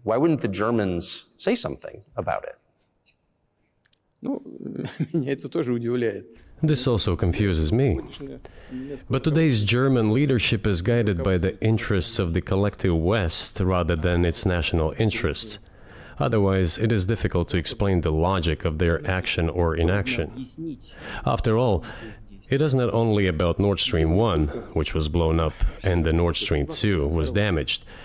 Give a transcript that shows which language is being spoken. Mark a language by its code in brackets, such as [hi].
[en] Why wouldn't the Germans say something about it? [ru] Ну, меня это тоже удивляет. [en] This also confuses me. But today's German leadership is guided by the interests of the collective West rather than its national interests. Otherwise, it is difficult to explain the logic of their action or inaction. After all, it is not only about Nord Stream 1, which was blown up, and the Nord Stream 2 was damaged.